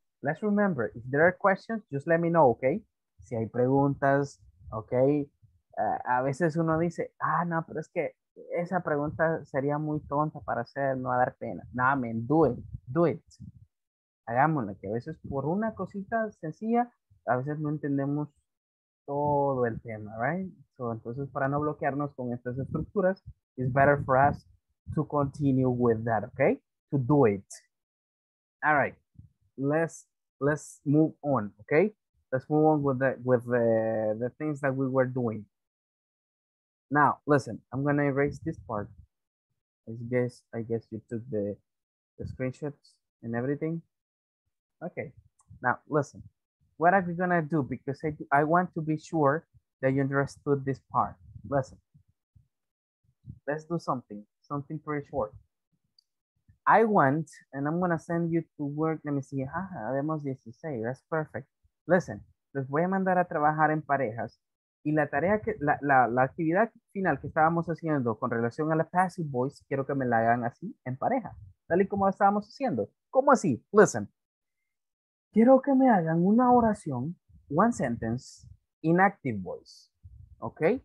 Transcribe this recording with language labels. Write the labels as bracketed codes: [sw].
[en] Let's remember, if there are questions, just let me know, okay? [es] Si hay preguntas, okay? A veces uno dice, ah, no, pero es que, esa pregunta sería muy tonta para hacer, no va a dar pena. [en] No, man, do it. [es] Hagámosla, que a veces por una cosita sencilla, a veces no entendemos todo el tema, right? [en] So, [es] entonces, para no bloquearnos con estas estructuras, [en] it's better for us to continue with that, okay? To do it. All right, let's move on, okay? Let's move on with the things that we were doing. Now, listen, I'm going to erase this part. I guess you took the screenshots and everything. Okay, now listen. What are we going to do? Because I want to be sure that you understood this part. Listen, let's do something pretty short. I want, and I'm going to send you to work. Let me see. [es] Ah, habemos 16. [en] That's perfect. [es] Listen, les voy a mandar a trabajar en parejas. Y la tarea, que la actividad final que estábamos haciendo con relación a la passive voice, quiero que me la hagan así, en pareja. Tal y como estábamos haciendo. ¿Cómo así? Listen. Quiero que me hagan una oración, [en] one sentence, in active voice. [es] ¿Ok?